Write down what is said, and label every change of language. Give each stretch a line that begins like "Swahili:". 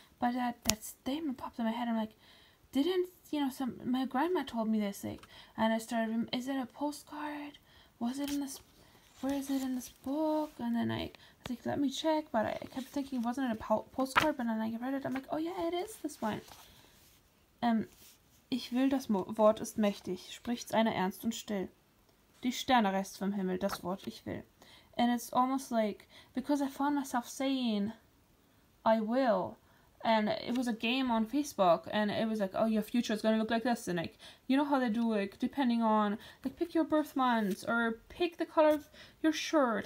English: But that statement popped in my head. I'm like, didn't. You know, some my grandma told me this, like, and I started. Is it a postcard? Was it in this? Where is it in this book? And then I was like, let me check. But I kept thinking, wasn't it a postcard? But then I read it. I'm like, oh yeah, it is this one.
German: Ich will, das Wort ist mächtig, spricht's einer ernst und still. Die Sterne rest vom Himmel, das Wort ich will.
English: And it's almost like, because I found myself saying, I will, And it was a game on Facebook, and it was like, oh, your future is going to look like this. And, like, you know how they do, like, depending on, like, pick your birth month or pick the color of your shirt.